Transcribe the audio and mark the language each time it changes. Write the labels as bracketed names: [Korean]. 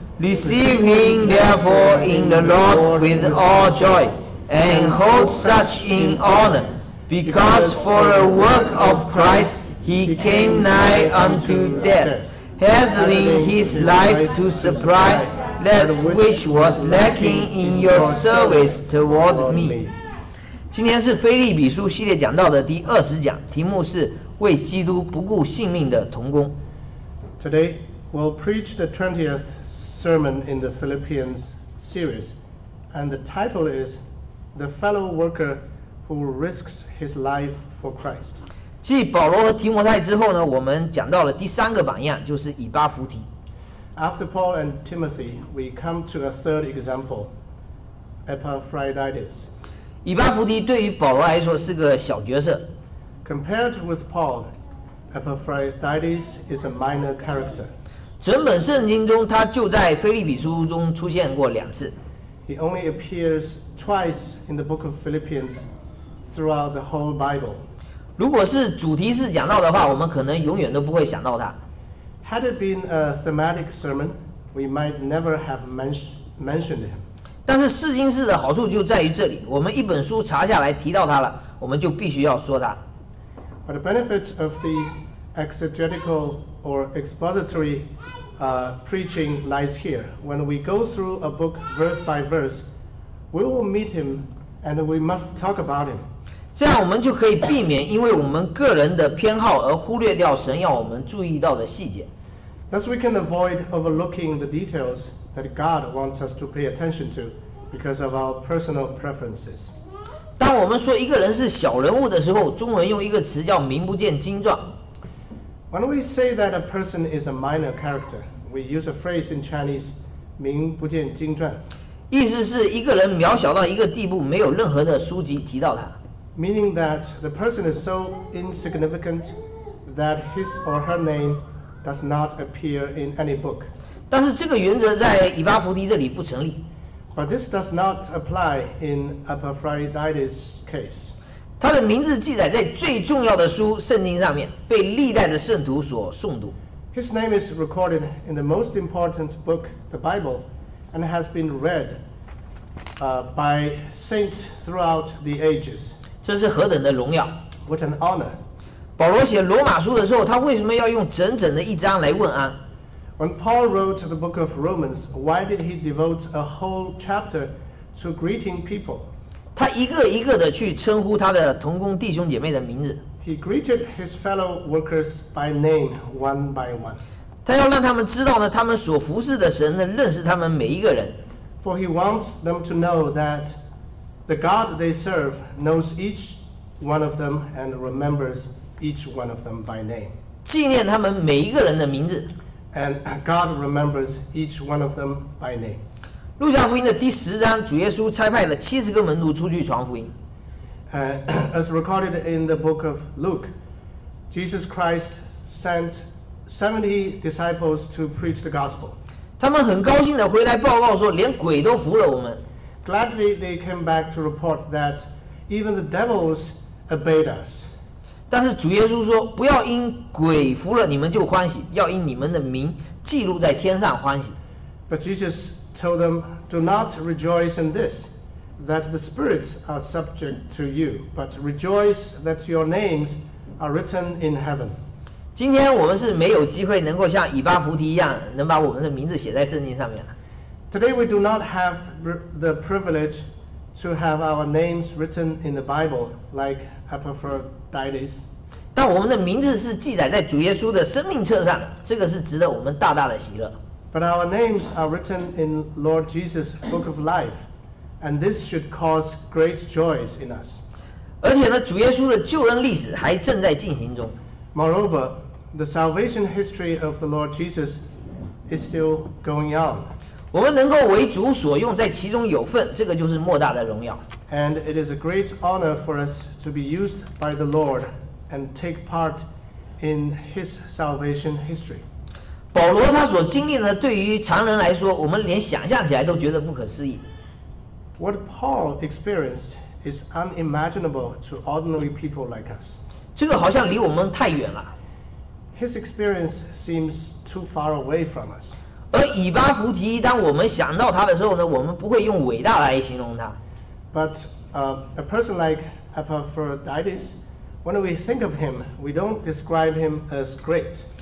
[English] Receive him therefore in the Lord with all joy, and hold such in honor, because for the work of Christ he came nigh unto death, hazarding his life to supply that which was lacking in your service toward me. [Chinese] 今天是腓立比书系列讲到的第二十讲，题目是为基督不顾性命的同工。 [English] Today we'll preach the 20th sermon in the Philippians series, and the title is the fellow worker who risks his life for Christ. [Chinese] 继保罗和提摩太之后呢，我们讲到了第三个榜样，就是以巴弗提。 [English] After Paul and Timothy, we come to a third example, Epaphroditus. [Chinese] 以巴弗提对于保罗来说是个小角色。 [English] Compared with Paul, Epaphroditus is a minor character. [Chinese] 整本圣经中，他就在腓立比书中出现过两次。 [English] He only appears twice in the book of Philippians throughout the whole Bible. [Chinese] 如果是主题式讲到的话，我们可能永远都不会想到他。 [English] Had it been a thematic sermon, we might never have mentioned him. [Chinese] 但是释经式的好处就在于这里，我们一本书查下来提到他了，我们就必须要说他。 [English] But the benefits of the exegetical or expository preaching lies here. When we go through a book verse by verse, we will meet him and we must talk about him. [Chinese] 这样我们就可以避免因为我们个人的偏好而忽略掉神要我们注意到的细节。 [English] Thus we can avoid overlooking the details that God wants us to pay attention to because of our personal preferences. [Chinese] 当我们说一个人是小人物的时候，中文用一个词叫名不见经传。 [English] When we say that a person is a minor character, we use a phrase in Chinese, [Chinese] 名不见经传。意思是一个人渺小到一个地步，没有任何的书籍提到他。 [English] Meaning that the person is so insignificant that his or her name does not appear in any book. [Chinese] 但是这个原则在以巴弗提这里不成立。 [English] But this does not apply in Epaphroditus' case. [Chinese] 他的名字记载在最重要的书《圣经》上面，被历代的圣徒所诵读。 [English] His name is recorded in the most important book, the Bible, and has been read by saints throughout the ages. [Chinese] 这是何等的荣耀。 [English] What an honor. [Chinese] 保罗写罗马书的时候，他为什么要用整整的一章来问安？ [English] When Paul wrote the book of Romans, why did he devote a whole chapter to greeting people? [Chinese] 他一个一个的去称呼他的同工弟兄姐妹的名字。 [English] He greeted his fellow workers by name one by one. [Chinese] 他要让他们知道呢，他们所服侍的神呢，认识他们每一个人。 [English] For he wants them to know that the God they serve knows each one of them and remembers each one of them by name. [Chinese] 纪念他们每一个人的名字。 [English] And God remembers each one of them by name. [Chinese] 路加福音的第十章，主耶稣差派了七十个门徒出去传福音。 [English] As recorded in the book of Luke, Jesus Christ sent 70 disciples to preach the gospel. [Chinese] 他们很高兴地回来报告说，连鬼都服了我们。 [English] Gladly, they came back to report that even the devils obeyed us. [Chinese] 但是主耶稣说，不要因鬼服了你们就欢喜，要因你们的名记录在天上欢喜。 [English] But Jesus told them, do not rejoice in this, that the spirits are subject to you, but rejoice that your names are written in heaven. [Chinese] 今天我们是没有机会能够像以巴弗提一样，能把我们的名字写在圣经上面。 [English] Today we do not have the privilege to have our names written in the Bible like Epaphroditus. [Chinese] 但我们的名字是记载在主耶稣的生命册上，这个是值得我们大大的喜乐。 [English] But our names are written in Lord Jesus' book of life, and this should cause great joy in us. [Chinese] 而且呢，主耶稣的救恩历史还正在进行中。 [English] Moreover, the salvation history of the Lord Jesus is still going on. [Chinese] 我们能够为主所用，在其中有份，这个就是莫大的荣耀。 [English] And it is a great honor for us to be used by the Lord and take part in His salvation history. [Chinese] 保罗他所经历的，对于常人来说，我们连想象起来都觉得不可思议。 [English] What Paul experienced is unimaginable to ordinary people like us. [Chinese] 这个好像离我们太远了。 [English] His experience seems too far away from us. [Chinese] 而以巴弗提，当我们想到他的时候呢，我们不会用伟大来形容他。 [English] But a person like Epaphroditus, when we think of him, we don't describe him as great.